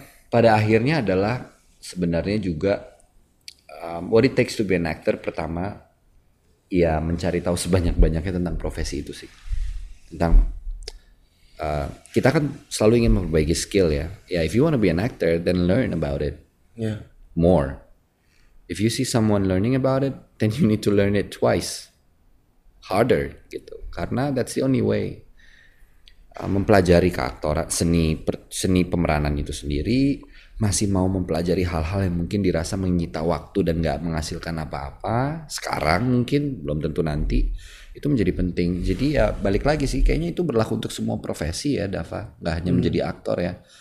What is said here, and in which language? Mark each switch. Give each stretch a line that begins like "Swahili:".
Indonesian: Pada akhirnya adalah sebenarnya juga
English: what it takes to be an actor,
Indonesian: pertama ya mencari tahu sebanyak-banyaknya tentang profesi itu sih. Tentang kita kan selalu ingin memperbaiki skill ya.
English: Yeah, if you want to be an actor, then learn about it. Yeah. More. If you see someone learning about it, then you need to learn it twice. Harder gitu. Karena that's the only way.
Indonesian: Mempelajari keaktoran, seni pemeranan itu sendiri, masih mau mempelajari hal-hal yang mungkin dirasa menyita waktu dan gak menghasilkan apa-apa sekarang, mungkin belum tentu nanti, itu menjadi penting. Jadi ya balik lagi sih, kayaknya itu berlaku untuk semua profesi ya Dava, gak hanya menjadi aktor ya.